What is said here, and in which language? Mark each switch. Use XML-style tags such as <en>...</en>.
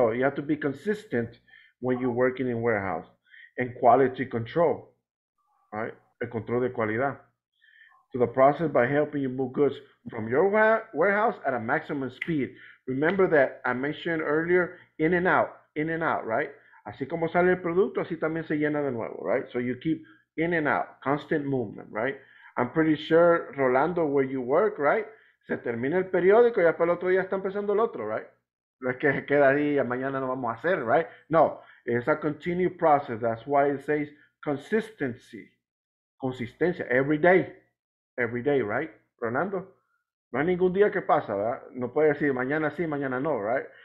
<en>No, you have to be consistent when you're working in warehouse, and quality control, right?</en> <es>El control de calidad.</es> <en>So the process by helping you move goods from your warehouse at a maximum speed. Remember that I mentioned earlier, in and out, right?</en> <es>Así como sale el producto, así también se llena de nuevo,</es> <en>right? So you keep in and out, constant movement, right? I'm pretty sure, Rolando, where you work, right?</en> <es>Se termina el periódico, ya para el otro día está empezando el otro,</es> <en>right?</en> <es>No es que se queda ahí y mañana no vamos a hacer, right?</es> <en>No, it's a continued process. That's why it says consistency. Consistencia, every day, every day, right?</en> <es>Ronaldo, no hay ningún día que pasa, ¿verdad? No puede decir mañana sí, mañana no,</es> <en>right?</en>